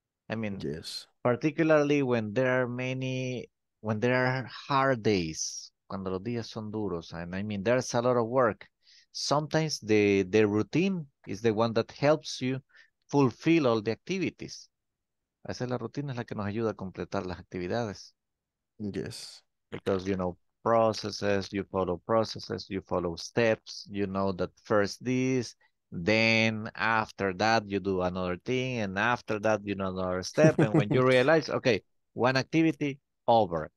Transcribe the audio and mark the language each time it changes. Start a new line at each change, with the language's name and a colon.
English: I mean, yes. Particularly when there are many, when there are hard days,
Spanish: cuando los días son duros,
English: and I mean, there's a lot of work. Sometimes the routine is the one that helps you fulfill all the activities.
Spanish: Esa es la rutina, es la que nos ayuda a completar las actividades.
English: Yes. Because, you know, processes, you follow steps, you know that first this, then after that you do another thing, and after that you know another step, and when you realize, okay, one activity, over.